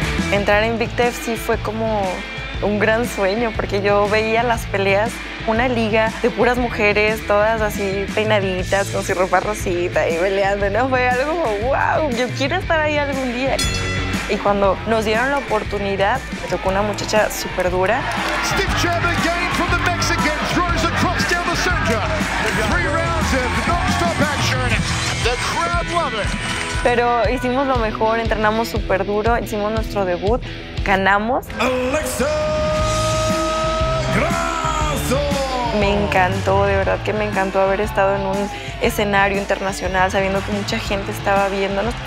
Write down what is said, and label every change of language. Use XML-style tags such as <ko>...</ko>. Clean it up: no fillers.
<es>Entrar en Invicta FC fue como un gran sueño porque yo veía las peleas, una liga de puras mujeres, todas así peinaditas, con su ropa rosita y peleando, ¿no? Fue algo como, wow, yo quiero estar ahí algún día. Y cuando nos dieron la oportunidad, me tocó una muchacha súper dura.</es> <en>Steve Chabot again from the Mexican throws across down the center. Three rounds of non-stop action. The crowd love it.</en> <es>Pero hicimos lo mejor, entrenamos súper duro, hicimos nuestro debut, ganamos.</es> <en>Alexa Grasso.</en> <es>Me encantó, de verdad que me encantó haber estado en un escenario internacional sabiendo que mucha gente estaba viéndonos.</es>